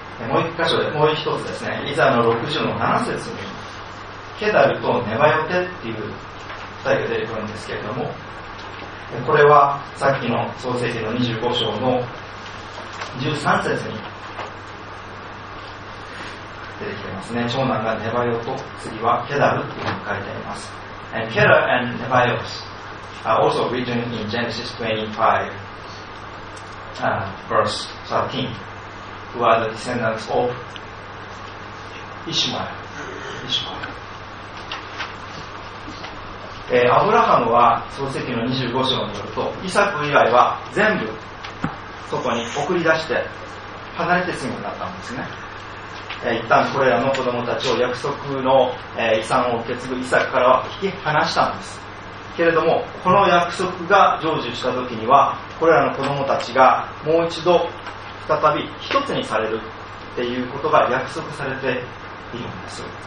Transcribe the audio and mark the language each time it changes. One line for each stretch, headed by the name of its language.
Japanese: もう一箇所で、もう一つですね、イザの60の7節に、ケダルとネバヨテっていう2人が出てくるんですけれども、これはさっきの創世記の25章の13節に出てきてますね。長男がネバヨと次はケダルっていうふうに書いてあります。
English: And Kedar and Nebaioth are also written in Genesis 25 verse 13 who are the descendants of Ishmael。
Japanese: アブラハムは創世記の25章によると、イサク以外は全部外に送り出して離れて住むようになったんですね。一旦これらの子供たちを約束の遺産を受け継ぐイサクからは引き離したんですけれども、この約束が成就した時にはこれらの子供たちがもう一度再び一つにされるっていうことが約束されているんです。